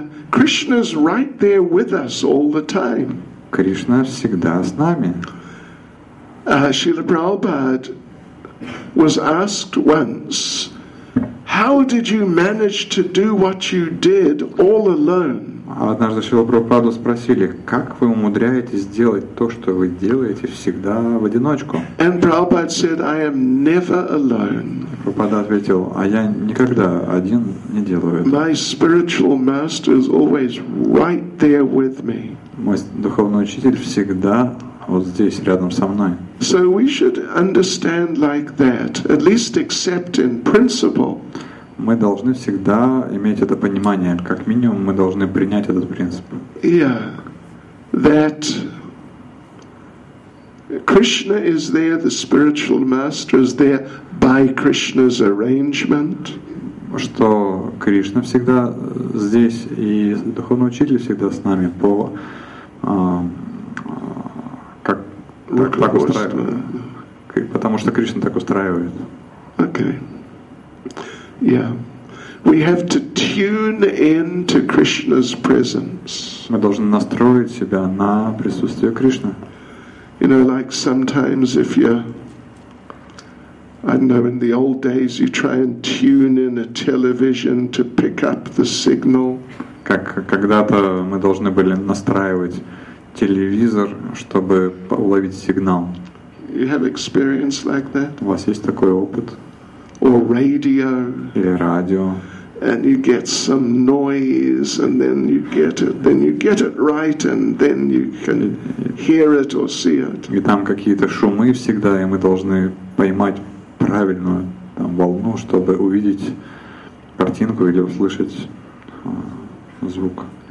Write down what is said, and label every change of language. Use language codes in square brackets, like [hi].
[en] Krishna's right there with us all the time. [ru] Кришна всегда с нами. [en] Srila Prabhupada was asked once, how did you manage to do what you did all alone? [ru] Однажды Шрила Прабхупаду спросили, как вы умудряетесь делать то, что вы делаете всегда в одиночку? [en] And Prabhupada said, I am never alone. [ru] Прабхупада ответил, а я никогда один не делаю это. [en] My spiritual master is always right there with me. [ru] Мой духовный учитель всегда вот здесь, рядом со мной. [en] So we should understand like that, at least accept in principle. [ru] Мы должны всегда иметь это понимание, как минимум мы должны принять этот принцип. [en] Yeah, that Krishna is there, the spiritual master is there by Krishna's arrangement. [ru] что Кришна всегда здесь, и духовный учитель всегда с нами по как так, так устраивает. Потому что Кришна так устраивает. [en] Okay. Yeah. We have to tune in to Krishna's presence. [ru] Мы должны настроить себя на присутствие Кришны. [en] You know, like sometimes if you're, I don't know, in the old days, you try and tune in a television to pick up the signal. [ru] Как когда-то мы должны были настраивать телевизор, чтобы уловить сигнал. [en] You have experience like that? [ru] У вас есть такой опыт? [en] Or radio? [ru] Или радио? [en] And you get some noise, and then you get it right, and then you can hear it or see it. [ru] И там какие-то шумы всегда, и мы должны поймать правильную там волну, чтобы увидеть картинку или услышать звук.